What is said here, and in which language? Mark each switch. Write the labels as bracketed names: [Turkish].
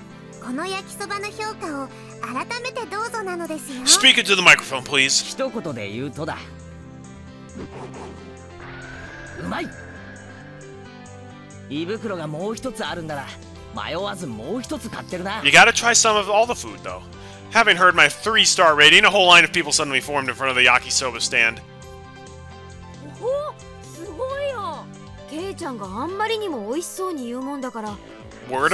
[Japanese] ケイチ君が美味しそうに食べてると、なんだかいつもよりもずっと美味しそうに感じるもんね。俺はうまいものはうまいっていう主義なんだよ。だから俺がうまいっていうものは、とりあえず試してみる価値があると思うぞ。ではケイチ、この焼きそばの評価を。 [English] Speak into the microphone, please. [Japanese] 一言で言うとだ。うまい。胃袋がもう一つあるんなら、迷わずもう一つ買ってるな。 [English] You gotta try some of all the food, though. Having heard my 3-star rating, a whole line of people suddenly formed in front of the yakisoba stand. [Japanese] おお、すごいよ。ケイちゃんがあんまりにも美味しそうに言うもんだから。Word